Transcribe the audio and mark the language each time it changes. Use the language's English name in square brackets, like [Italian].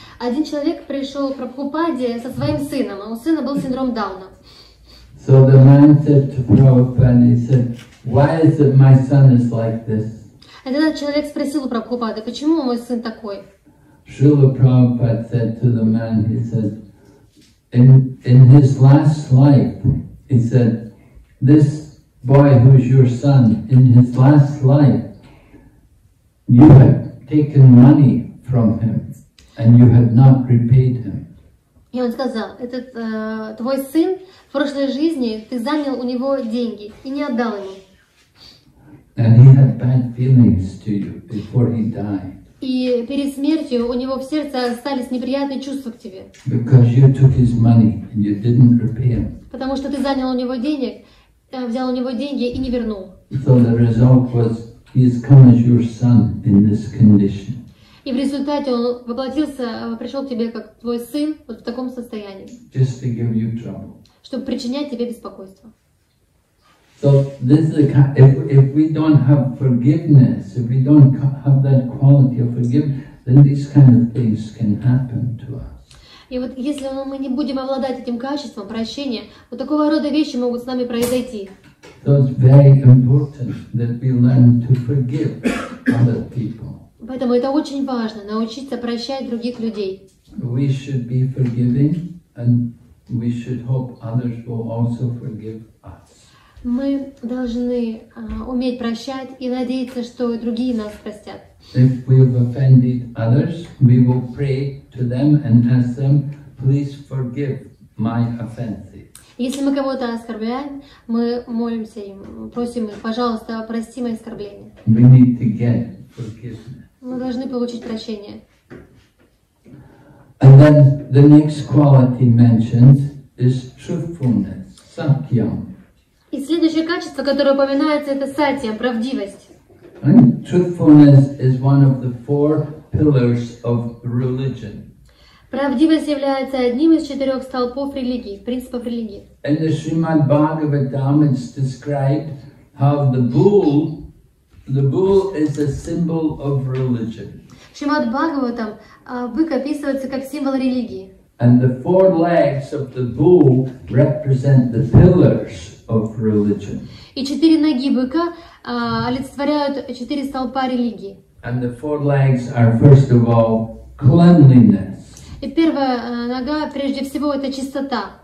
[Russian] Один человек пришел к Прабхупаде со своим сыном, а у сына был синдром Дауна. [English] So the man said to Prabhupada, he said, "Why is it my son is like this?" [Russian] И тогда человек спросил у Прабхупады, почему мой сын такой? [English] Шрила Прабхупада said to the man, he said, "In his last life, he said, this." Boy, who's your son? In his last life, you had taken money from him, and you had not repaid him. [Russian] И он сказал: этот твой сын в прошлой жизни ты занял у него деньги и не отдал ему. [English] And he had bad feelings to you before he died. [Russian] И перед смертью у него в сердце остались неприятные чувства к тебе. [English] Because you took his money and you didn't repay him. [Russian] Потому что ты занял у него денег. Взял у него деньги и не вернул. [English] So the result was, he has come as your son in this condition. [Russian] И в результате он воплотился, пришел к тебе как твой сын вот в таком состоянии. [English] Just to give you trouble. [Russian] Чтобы причинять тебе беспокойство. [English] So this is if we don't have forgiveness, if we don't have that quality of forgiveness, then these kind of things can happen to us. [Russian] И вот если мы не будем обладать этим качеством прощения, вот такого рода вещи могут с нами произойти. [English] So it's very important that we learn to forgive other people. [Russian] Поэтому это очень важно, научиться прощать других людей. [English] We should be forgiving, and we should hope others will also forgive us. [Russian] Мы должны уметь прощать и надеяться, что другие нас простят. [English] If we have offended others, we will pray to them and ask them, please forgive my offenses. [Russian] Если мы кого-то оскорбляем, мы молимся им, просим их, пожалуйста, прости мои оскорбления. [English] We need to get forgiveness. [Russian] Мы должны получить прощение. [English] And then the next quality mentioned is truthfulness, satyam. [Russian] И следующее качество, которое упоминается, это сатьям, правдивость. [English] And truthfulness is one of the four pillars of religion. [Russian] Правдивость является одним из четырех столпов религии, принципов религии. [English] In the Srimad Bhagavatam, it's described how the bull is a symbol of religion. [Russian] Шримад Бхагаватам бык описывается как символ религии. [English] And the four legs of the bull represent the pillars of religion. [Russian] И четыре ноги быка олицетворяют четыре столпа религии. [English] And the four legs are, first of all, cleanliness. [Russian] И первая нога, прежде всего, это чистота.